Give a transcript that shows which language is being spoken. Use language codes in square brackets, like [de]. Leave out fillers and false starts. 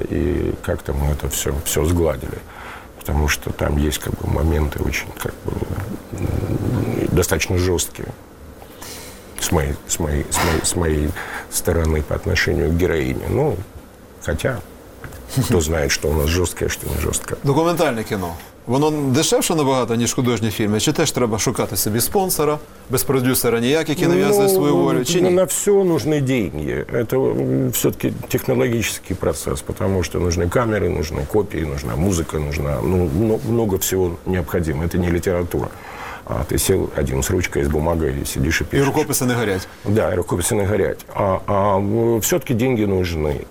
[ru] И как-то мы это все сгладили. Потому что там есть как бы моменты очень как бы, достаточно жесткие. С моей стороны по отношению к героине. Ну, хотя, кто знает, что у нас жесткое, что не жесткое. [uk] Документальне кіно. Воно дешевше набагато, ніж художні фільми? Чи теж треба шукати собі спонсора, без продюсера ніяк, який нав'язує свою волю, чи ні? [ru] На все нужны деньги. Это все-таки технологический процесс, потому что нужны камеры, нужны копии, нужна музыка, нужна, ну, много всего необходимо. Это не литература. А ты сел один с ручкой, с бумагой, сидишь и пишешь. И рукописи не горять. Да, рукописи не горять. А все-таки деньги нужны.